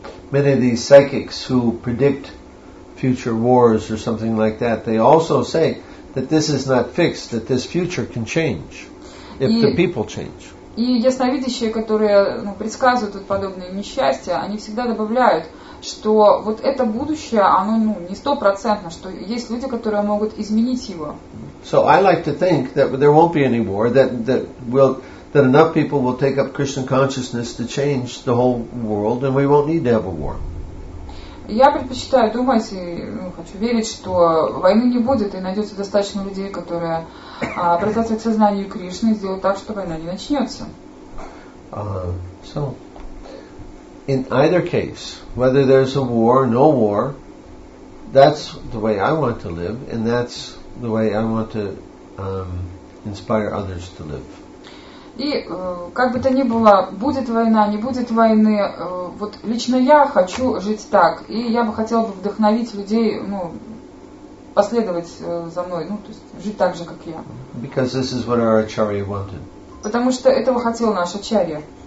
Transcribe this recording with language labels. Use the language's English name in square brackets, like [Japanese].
[English] Many of these psychics who predict future wars or something like that, they also say that this is not fixed, that this future can change if the people change. [Russian] И ясновидящие, которые предсказывают вот подобные несчастья, они всегда добавляют, что вот это будущее, оно не стопроцентно, что есть люди, которые могут изменить его. [English] So I like to think that there won't be any war, that enough people will take up Krishna consciousness to change the whole world, and we won't need to have a war. [Russian] Я предпочитаю думать и хочу верить, что войны не будет, и найдется достаточно людей, которые обратятся к сознанию Кришны и сделают так, что война не начнется. [English] So, in either case, whether there's a war or no war, that's the way I want to live, and that's the way I want to inspire others to live. [Russian] И как бы то ни было, будет война, не будет войны, вот лично я хочу жить так. И я бы хотела бы вдохновить людей последовать за мной, то есть жить так же, как я. [English] Because this is what our Acharya wanted. [Russian] Потому что этого хотел наш Ачарья.